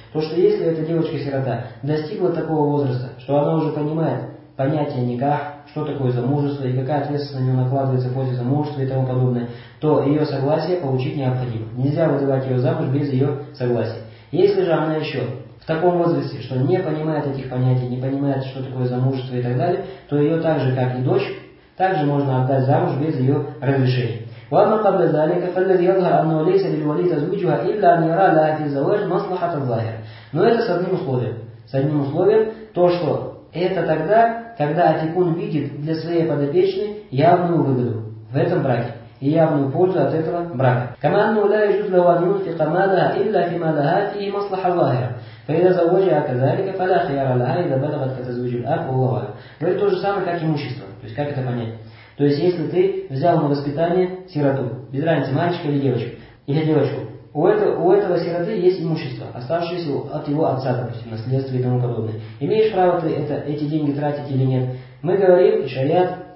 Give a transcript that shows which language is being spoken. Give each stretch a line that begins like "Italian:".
Russian: То, что если эта девочка-сирота достигла такого возраста, что она уже понимает понятие никах, что такое замужество и какая ответственность на нее накладывается после замужества и тому подобное, то ее согласие получить необходимо. Нельзя выдавать ее замуж без ее согласия. Если же она еще в таком возрасте, что не понимает этих понятий, не понимает, что такое замужество и так далее, то ее так же, как и дочь, также можно отдать замуж без ее разрешения.
Arabic: وأما قبل ذلك فالذي يظهر أنه ليس للولي تزويجها إلا أن يرى لها في الزواج مصلحة الظاهر.
Russian: Но это с одним условием. С одним условием то, что это тогда, когда опекун видит для своей подопечной явную выгоду в этом браке и явную пользу от этого брака.
Arabic: كما أنه لا يجوز له أن ينفق مالها إلا فيما لها فيه مصلحة ظاهرة. فإذا زوجها كذلك فلا خيار لها إذا بلغت كتزويج الأب والله أعلم.
Russian: Говорит то же самое, как имущество. То есть как это понять? То есть, если ты взял на воспитание сироту, без разницы, мальчика или девочку, или девочку, у этого сироты есть имущество, оставшееся от его отца, допустим, наследство и тому подобное. Имеешь право ты эти деньги тратить или нет? Мы говорим, шариат